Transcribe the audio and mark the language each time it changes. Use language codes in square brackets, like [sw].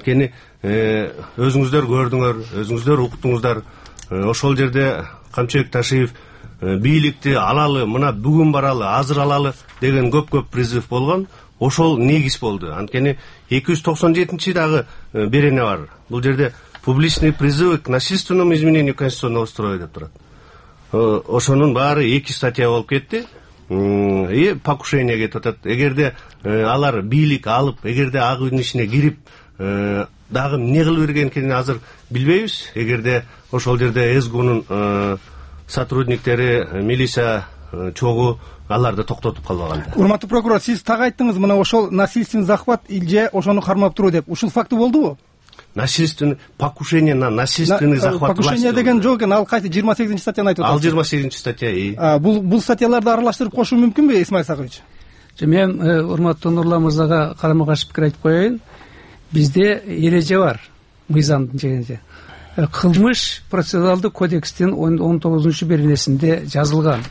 [ky] Анткени өзүңүздөр көрдүңөр, өзүңүздөр уктуңуздар. Ошол жерде Камчыбек Ташиев бийликти алалы, мына бүгүн баралы, азыр алалы деген көп-көп призыв болгон. Ошол негиз болду. Анткени 297 дагы берене бар. Бул жерде [ru] публичный призыв к насильственному изменению конституционного строя [ky] деп турат. Ошонун баары эки статья болуп кетти. И покушение кетип атат. Эгерде алар бийлик алып, эгерде Ак үйдүн ичине кирип дагы эмне кылып берген экенин азыр билбейбиз. Эгерде ошол жерде СГУнун сотрудниктери, милиция чогуу аларды токтотуп калбаганда. Урматтуу прокурор, сиз так айттыңыз, мына ошол [ru] насильственный захват [ky] же ошону кармап туруу деп. Ушул факты болдубу? [ru] насильственный покушение на насильственный захват власти. [ky] Покушение деген жок, ал кайсы 28-нчы статьяны айтып отурасыз? Ал 28-нчы статья. Бул статьяларды аралаштырып кошуу мүмкүнбү, Исмаил Сагыч? Мен урматтуу Нурлан мырзага карама-каршы пикир айтып коеюн. Бизде эреже бар мыйзамдын жегенде. Кылмыш процессуалдык кодекстин 19-нчу беренесинде жазылган.